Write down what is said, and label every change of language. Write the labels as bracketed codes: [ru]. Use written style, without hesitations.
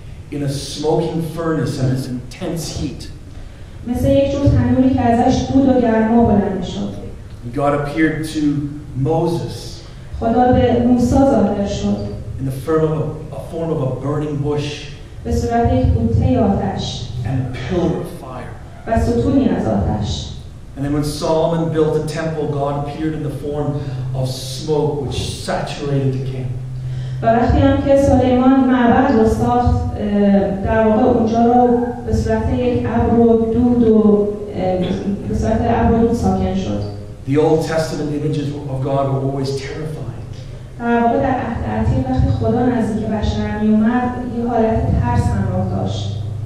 [en] In a smoking furnace and its intense heat. [fa] مثل یک جو تنوری که ازش دود و گرما بلند شد. [en] God appeared to Moses. [fa] خدا به موسی ظاهر شد. [en] In the form of a burning bush. [fa] به صورت یک بوته آتش. [en] And a pillar of fire. [fa] و ستونی از آتش. [en] And then when Solomon built the temple, God appeared in the form of smoke which saturated the camp. [fa] و وقتی هم که سلیمان معبد رو ساخت در واقع اونجا رو به صورت یک ابر و دود و به صورت ابر و دود ساکن شد. [en] The Old Testament images of God were always terrifying. [fa] در واقع در عهد عتیق وقتی خدا نزدیک بشر می اومد یه حالت ترس همراه داشت.